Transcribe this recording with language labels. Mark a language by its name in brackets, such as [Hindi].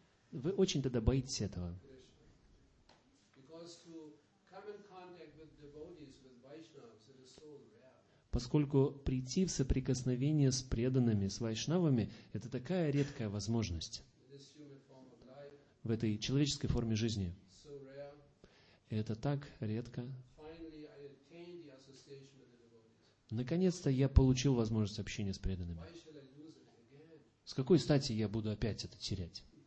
[Russian] Вы очень тогда боитесь этого. [English] Because to come in contact with devotees, with Vaishnavas, it is so rare. [Russian] поскольку прийти в соприкосновение с преданными, с вайшнавами, это такая редкая возможность в этой человеческой форме жизни. Это так редко. Наконец-то я получил возможность общения с преданными. С какой стати я буду опять это терять?